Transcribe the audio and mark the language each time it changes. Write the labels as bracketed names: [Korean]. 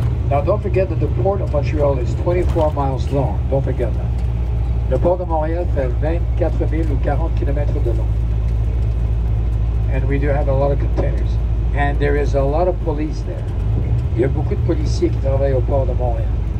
[English] Now don't forget that the port of Montreal is 24 miles long. Don't forget that. [French] Le port de Montréal fait 24,000 ou 40 kilometers de long. [English] And we do have a lot of containers. And there is a lot of police there. [French] Il y a beaucoup de policiers qui travaillent au port de Montréal.